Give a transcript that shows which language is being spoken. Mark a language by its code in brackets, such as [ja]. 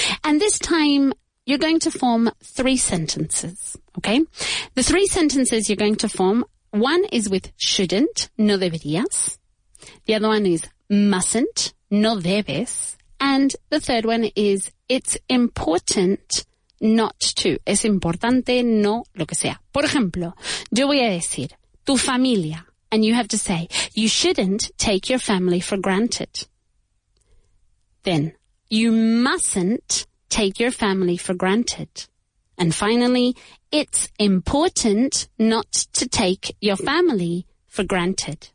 [en] And this time, you're going to form three sentences, okay? The three sentences you're going to form, one is with shouldn't, [es] no deberías. [en] The other one is mustn't, [es] no debes. [en] And the third one is it's important not to. [es] Es importante no lo que sea. Por ejemplo, yo voy a decir, tu familia. [en] And you have to say, you shouldn't take your family for granted. Then, you mustn't take your family for granted. And finally, it's important not to take your family for granted.